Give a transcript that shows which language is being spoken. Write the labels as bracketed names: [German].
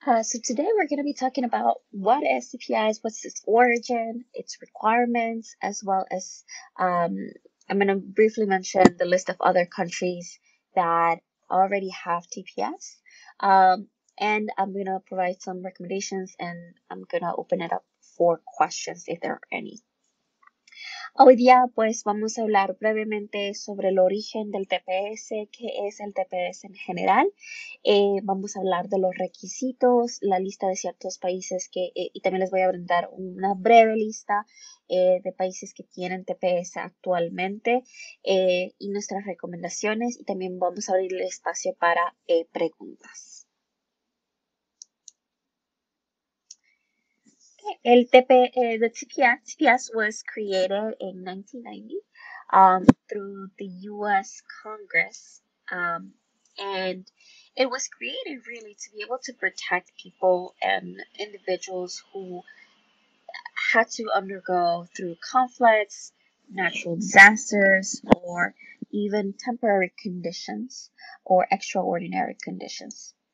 [English] So today we're going to be talking about what is TPS, what's its origin, its requirements, as well as I'm going to briefly mention the list of other countries that already have TPS, and I'm going to provide some recommendations, and I'm going to open it up for questions if there are any. [Spanish] Hoy día, pues, vamos a hablar brevemente sobre el origen del TPS, qué es el TPS en general. Vamos a hablar de los requisitos, la lista de ciertos países que, y también les voy a brindar una breve lista de países que tienen TPS actualmente, y nuestras recomendaciones, y también vamos a abrir el espacio para preguntas. [English] The TPS was created in 1990 through the U.S. Congress, and it was created really to be able to protect people and individuals who had to undergo through conflicts, natural disasters, or even temporary conditions or extraordinary conditions.